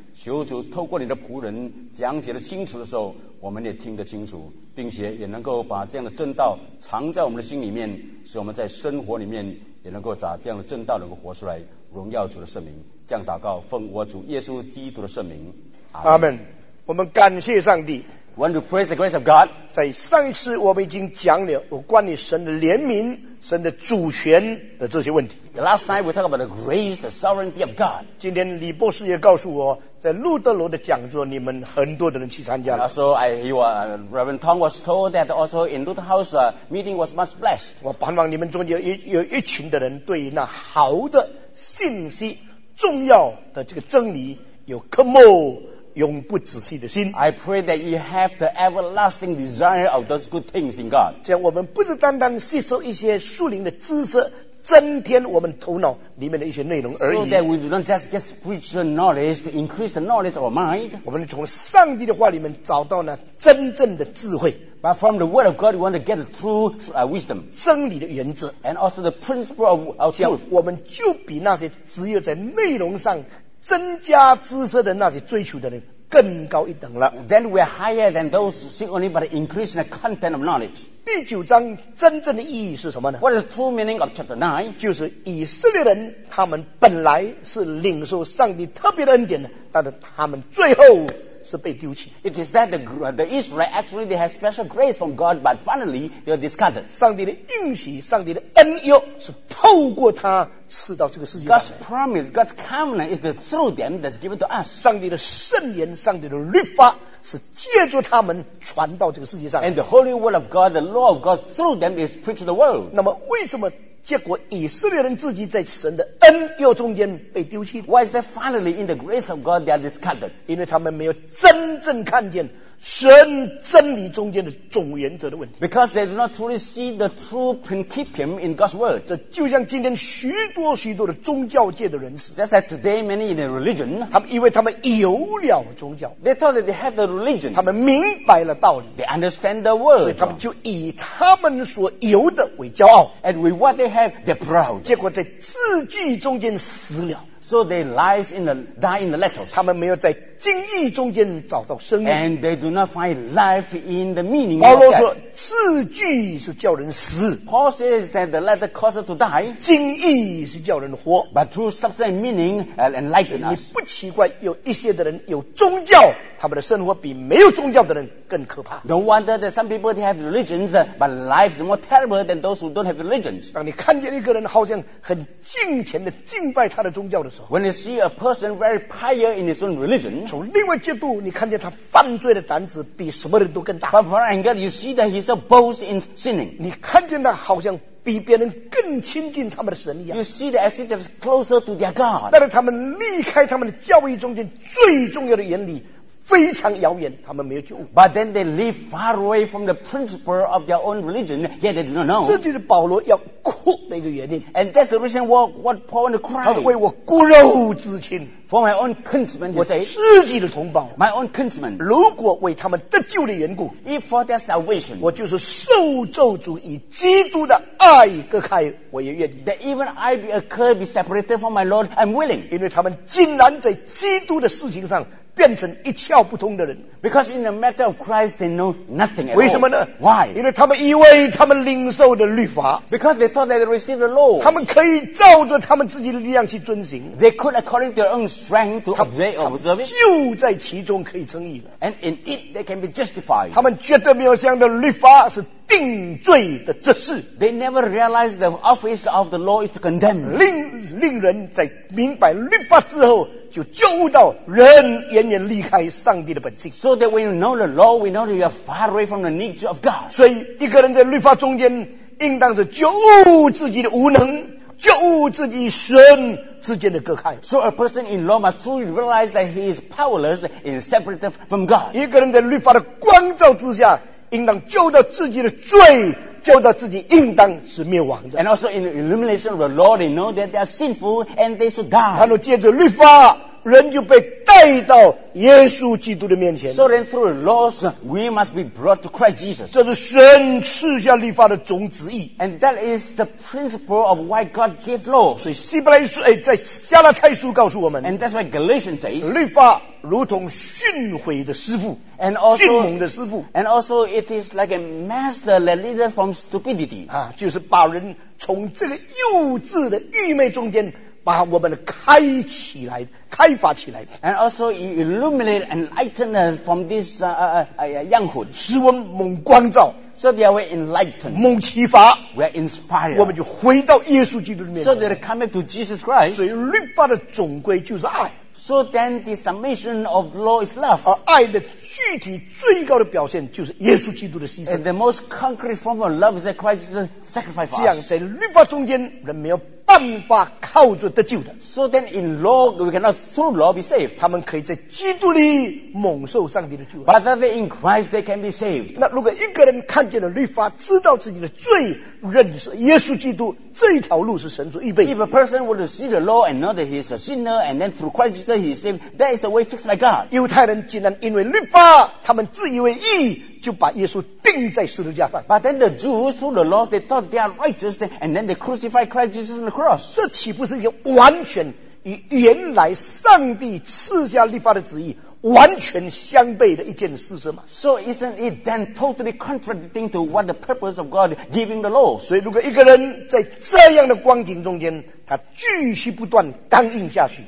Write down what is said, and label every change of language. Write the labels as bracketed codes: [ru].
[zh] 求主透过你的仆人讲解的清楚的时候，我们也听得清楚，并且也能够把这样的正道藏在我们的心里面，使我们在生活里面也能够把这样的正道能够活出来。荣耀主的圣名，这样祷告奉我主耶稣基督的圣名，阿们。我们感谢上帝。 [en] Want to praise the grace of God. [zh] 在上一次我们已经讲了有关于神的怜悯、神的主权的这些问题。 [en] The last night we talked about the grace, the sovereignty of God. [zh] 今天李博士也告诉我，在路德楼的讲座你们很多的人去参加了。 [en] Also, Reverend Tong was told that also in Luther House meeting was much blessed. [zh] 我盼望你们中间 有一群的人对于那好的信息、重要的这个真理有渴慕、永不止息的心。 [en] I pray that you have the everlasting desire of those good things in God. [zh] 这样我们不是单单吸收一些属灵的知识，增添我们头脑里面的一些内容而已。 [en] So that we do not just get spiritual knowledge to increase the knowledge of our mind. [zh] 我们从上帝的话里面找到呢真正的智慧。 [en] But from the word of God, we want to get true wisdom. [zh] 真理的原则。 [en] And also the principle of our truth. [zh] 这样我们就比那些只有在内容上增加知识的那些追求的人更高一等了。 [en] Then we are higher than those seek only but increase in the content of knowledge. [zh] 第九章真正的意义是什么呢？ [en] What is the true meaning of chapter 9? [zh] 就是以色列人他们本来是领受上帝特别的恩典的，但是他们最后是被丢弃。 [en] It is that the Israel actually they have special grace from God, but finally they are discarded. [zh] 上帝的应许，上帝的恩佑是透过他赐到这个世界上。 [en] God's promise, God's covenant is through them that's given to us. [zh] 上帝的圣言，上帝的律法是借助他们传到这个世界上。 [en] And the holy word of God, the law of God through them is preached to the world. [zh] 那么为什么？结果以色列人自己在神的恩佑中间被丢弃。 [en] Why is that finally in the grace of God they are discarded? [zh] 因为他们没有真正看见神真理中间的总原则的问题。 [en] Because they do not truly see the true principium in God's word. [zh] 这就像今天许多许多的宗教界的人士。 [en] Just like today many in the religion. [zh] 他们以为他们有了宗教。 [en] They thought that they have the religion. [zh] 他们明白了道理。 [en] They understand the word. [zh] 所以他们就以他们所有的为骄傲。 [en] And with what they have, they're proud. [zh] 结果在字句中间死了。 [en] So they lies in the die in the letters. [zh] 他们没有在经义中间找到生命。 [en] And they do not find life in the meaning. [zh] 保罗说，字句是叫人死。 [en] Paul says that the letter causes to die. [zh] 经义是叫人活。 [en] But through substance meaning enlighten us. [zh] 你不奇怪有一些的人有宗教，他们的生活比没有宗教的人更可怕。 [en] No wonder that some people they have religions, but life is more terrible than those who don't have religions. [zh] 当你看见一个人好像很敬虔的敬拜他的宗教的时候 [en] ，When you see a person very pious in his own religion， [zh] 从另外角度你看见他犯罪的胆子比什么人都更大。 [en] But from another, you see that he's a boast in sinning. [zh] 你看见他好像比别人更亲近他们的神一样。 [en] You see that as if they're closer to their God. [zh] 但是他们离开他们的教义中间最重要的原理。非常遥远，他们没有觉悟。 [en] But then they live far away from the principle of their own religion, yet they do not know. [zh] 这就是保罗要哭的一个原因。 [en] And that's the reason what Paul want to cry. [zh] 他为我骨肉之亲。 [en] For my own kinsmen, he say, [zh] 我自己的同胞。 [en] My own kinsmen. [zh] 如果为他们得救的缘故。 [en] If for their salvation. [zh] 我就是受咒诅与基督的爱隔开，我也愿意。 [en] That even I be accursed, be separated from my Lord, I'm willing. [zh] 因为他们竟然在基督的事情上变成一窍不通的人。 [en] Because in the matter of Christ, they know nothing at all. [zh] 为什么呢 [en] ？Why? [zh] 因为他们以为他们领受的律法。 [en] Because they thought that they received the law. [zh] 他们可以照着他们自己的力量去遵行。 [en] They could according to their own strength to obey or observe it. [zh] 就在其中可以称义了。 [en] And in it, they can be justified. [zh] 他们绝对没有想到律法是定罪的执事。 [en] They never realized the office of the law is to condemn. [zh] 令人在明白律法之后。就觉悟到人远远离开上帝的本性。 [en] So that when you know the law, we know that you are far away from the nature of God. [zh] 所以一个人在律法中间，应当是觉悟自己的无能，觉悟自己神之间的隔开。 [en] So a person in law must truly realize that he is powerless and separated from God. [zh] 一个人在律法的光照之下，应当觉悟到自己的罪。救到自己应当是灭亡的。 [en] And also in the illumination of the law, they know that they are sinful and they should die. [zh] 他说借着律法，人就被带到耶稣基督的面前。 [en] So then through the laws, we must be brought to Christ Jesus. [zh] 这是神赐下律法的总旨意。 [en] And that is the principle of why God gave law. [zh] 所以希伯来书，在加拉太书告诉我们。 [en] And that's why Galatians says, [zh] 律法如同训诲的师父。 [en] And also, [zh] 迅猛的师父。 [en] And also it is like a master that leads us from stupidity. [zh] 啊，就是把人从这个幼稚的愚昧中间把我们开起来，开发起来。 [en] And also illuminate and lighten us from this, young hood. [zh] 使我们猛光照。 [en] So they are enlightened. [zh] 猛启发。 [en] We are inspired. [zh] 我们就回到耶稣基督的面前。 [en] So they are coming to Jesus Christ. [zh] 所以律法的总归就是爱。 [en] So then the summation of law is love. [zh] 而爱的具体最高的表现就是耶稣基督的牺牲。 [en] And the most concrete form of love is that Christ is a sacrifice for us. [zh] 这样在律法中间人没有办法靠着得救的。 [en] So then in law, we cannot through law be saved. [zh] 他们可以在基督里蒙受上帝的救恩。 [en] But that in Christ they can be saved. [zh] 那如果一个人看见了律法，知道自己的罪，认识耶稣基督，这一条路是神所预备。 [en] If a person would see the law and know that he is a sinner and then through Christ Jesus he is saved, that is the way fixed by God. [zh] 犹太人竟然因为律法，他们自以为义。就把耶稣钉在十字架上。 [en] But then the Jews through the laws they thought they are righteous, and then they crucified Christ Jesus on the cross. [zh] 这岂不是一个完全与原来上帝赐下律法的旨意完全相悖的一件事是吗 [en] ？So isn't it then totally contradicting to what the purpose of God giving the law？ [zh] 所以，如果一个人在这样的光景中间，他继续不断刚硬下去